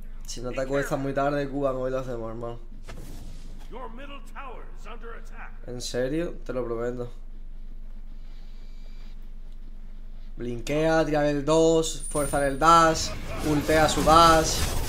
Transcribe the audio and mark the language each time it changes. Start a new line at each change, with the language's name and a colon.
Spanish: Si no te acuestas muy tarde, Cuba, hoy lo hacemos, hermano.
English: Your middle tower is under attack.
Spanish: ¿En serio? Te lo prometo. Blinkea, tira el 2, fuerza el dash, ultea su dash.